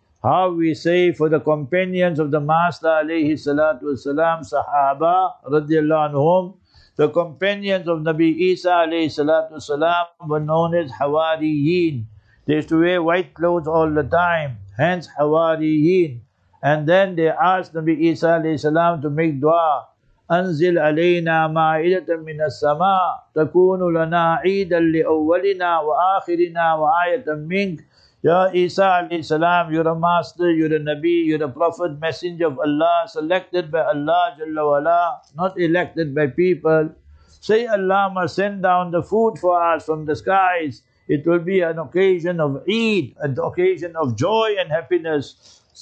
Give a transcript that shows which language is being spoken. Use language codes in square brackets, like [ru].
[en] How we say for the companions of the Master alayhi salatu wasalam, Sahaba radiallahu anhum, the companions of Nabi Isa alayhi salatu wasalam were known as Hawariyin. They used to wear white clothes all the time, hence Hawariyin. And then they asked Nabi Isa alayhi salam to make dua. [ar] أنزل علينا مائدة من السماء تكون لنا عيدا لأولنا وآخرنا وآية منك. [en] Ya Isa alayhi salam, you're a master, you're a Nabi, you're a prophet, messenger of Allah, selected by Allah Jalla wala, not elected by people. Say, Allah must send down the food for us from the skies. It will be an occasion of Eid, an occasion of joy and happiness.